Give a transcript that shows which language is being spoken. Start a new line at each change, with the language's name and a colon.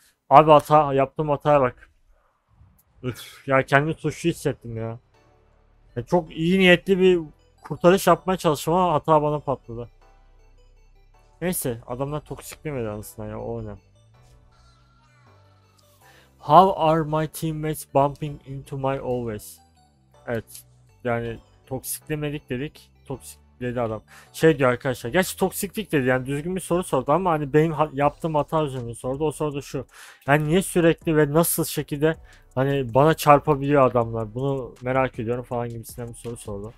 Turkish: Abi hata yaptım, hataya bak. Üf, ya kendimi suçlu hissettim ya. Ya. Çok iyi niyetli bir kurtarış yapmaya çalıştım ama hata bana patladı. Neyse adamlar toksik demedi anasına ya, o önemli.
English: How are my teammates bumping into my always?
Turkish: Evet. Yani toksiklemedik dedik. Toksik dedi adam. Şey diyor arkadaşlar. Gerçi toksiklik dedi. Yani düzgün bir soru sordu ama hani benim yaptığım hata üzerine sordu. O soru da şu. Yani niye sürekli ve nasıl şekilde hani bana çarpabiliyor adamlar? Bunu merak ediyorum falan gibisinden bir soru sordu.